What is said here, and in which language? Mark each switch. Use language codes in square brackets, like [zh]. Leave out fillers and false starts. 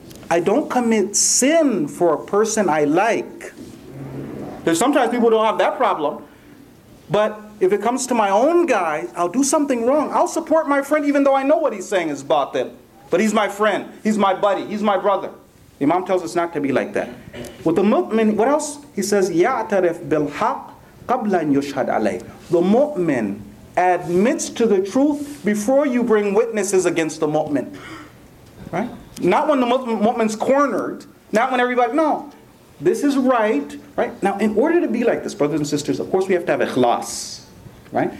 [en] I don't commit sin for a person I like. There's sometimes people don't have that problem. But if it comes to my own guy, I'll do something wrong. I'll support my friend even though I know what he's saying is batil. But he's my friend. He's my buddy. He's my brother. The Imam tells us not to be like that. With the mu'min, what else? He says, [ar] يَعْتَرِفْ بِالْحَقْ قَبْلًا يُشْهَدْ عَلَيْهِ. [en] The mu'min admits to the truth before you bring witnesses against the mu'min. right? Not when the woman's cornered, not when everybody, no. This is right, right? Now, in order to be like this, brothers and sisters, of course we have to have ikhlas, right?